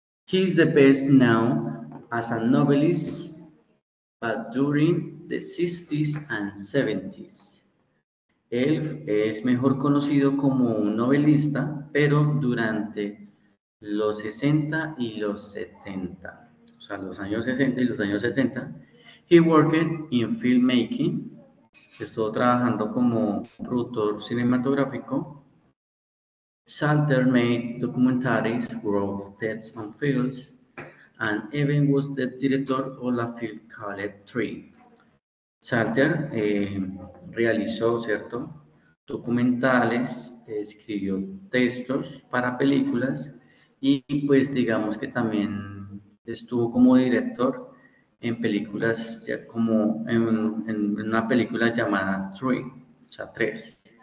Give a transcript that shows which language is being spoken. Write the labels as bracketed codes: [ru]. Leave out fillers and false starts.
[en] He's the best known as a novelist, but during the 60s and 70s. [es] Él es mejor conocido como un novelista, pero durante los 60 y los 70, o sea, los años 60 y los años 70, [en] he worked in filmmaking, [es] estuvo trabajando como productor cinematográfico. [en] Salter made documentaries, wrote texts on films, and even was the director of la Field College 3. [es] Salter realizó, ¿cierto?, documentales, escribió textos para películas y pues digamos que también estuvo como director en películas, ya como en una película llamada Three, o sea, tres.